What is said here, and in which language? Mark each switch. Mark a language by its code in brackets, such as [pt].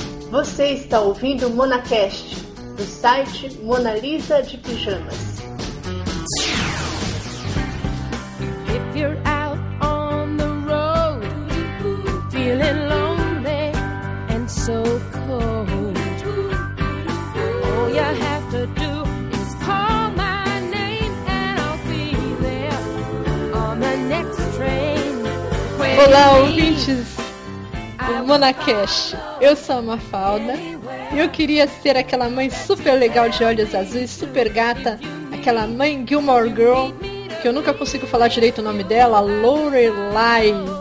[pt] Você está ouvindo o MonaCast, do site Mona Lisa de Pijamas. [en] If you're out on the road, feeling lonely and so cold, all you have to do is call my name and I'll be there on the next train. [pt] Olá, ouvintes do MonaCast. Eu sou a Mafalda. Eu queria ser aquela mãe super legal de olhos azuis, super gata, aquela mãe Gilmore Girl, que eu nunca consigo falar direito o nome dela, Lorelai.